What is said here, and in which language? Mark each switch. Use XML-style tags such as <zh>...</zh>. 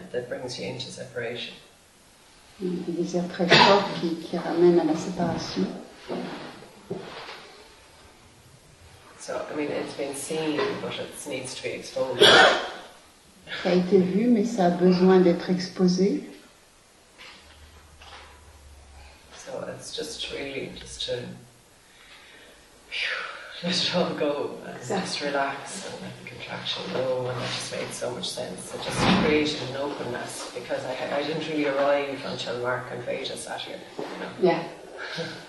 <fr>Un désir très fort qui ramène à la séparation.</fr> <en>So, I mean, it's been seen, but it needs to be exposed.</en> <fr>Ça a été vu, mais ça a besoin d'être exposé.</fr> <en>So it's just really just to let it all go and just relax and let the contraction go, and that just made so much sense. It just created an openness because I didn't really arrive until Mark and Veda sat here. You know?</en>